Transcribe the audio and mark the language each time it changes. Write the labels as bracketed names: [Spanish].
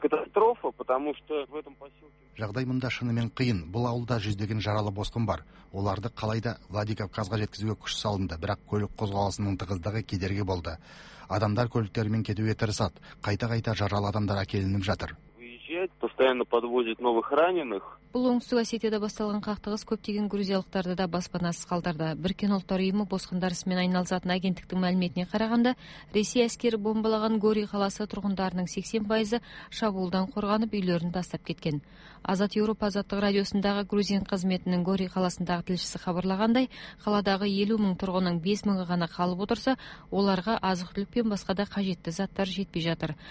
[Kazakh] Жағдай мұнда шынымен қиын. Бұл ауылда жүздеген жаралы босқын бар. Оларды қалайда Владикавказға жеткізуге күш салынды, бірақ көлік қозғалысының тығыздығы кедергі болды. Адамдар көліктерімен кетуге тырысады. Қайта-қайта жаралы адамдар әкелініп жатыр. [Russian] Постоянно подвозит новых раненых. [Kazakh] Бұл оңтүстік Осетияда басталған қақтығыс көптеген грузиялықтарды да баспанасыз қалдырды. Біріккен ұлттар ұйымы босқындар ісімен айналысатын агенттіктің мәліметіне қарағанда, Ресей әскері бомбалаған Гори қаласы тұрғындарының 80% шабуылдан қорғанып үйлерін тастап кеткен. Азат Еуропа Азаттық радиосындағы грузин қызметінің Гори қаласындағы тілшісі хабарлағандай, қаладағы 50 мың тұрғынның 5 мыңы ғана қалып отырса, оларға азық-түлік пен басқа да қажетті заттар жетпей жатыр.